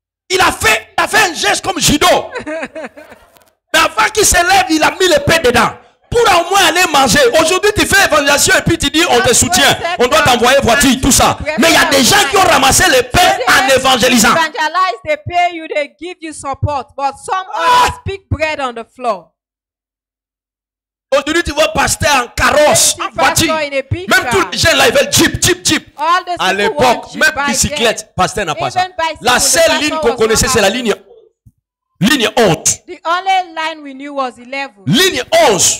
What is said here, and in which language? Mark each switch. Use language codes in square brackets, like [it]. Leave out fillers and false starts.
[fr] il a fait un geste comme Judo. Mais avant qu'il se lève, il a mis le pain dedans. Pour au moins aller manger. Aujourd'hui, tu fais évangélisation et puis tu dis, on te soutient. On doit t'envoyer voiture, tout ça. Mais il y a des gens qui ont ramassé le pain en évangélisant. [en] Evangelize, they pay you, they give you support. But some others pick bread on the floor. [fr] Aujourd'hui, tu vois pasteur en carrosse, en voiture. Même tous les gens là, ils veulent jeep. À l'époque, même bicyclette, pasteur n'a pas ça. La seule ligne qu'on connaissait, c'est la ligne. Ligne haute. [en] The only line we knew was 11. [fr] Ligne 11.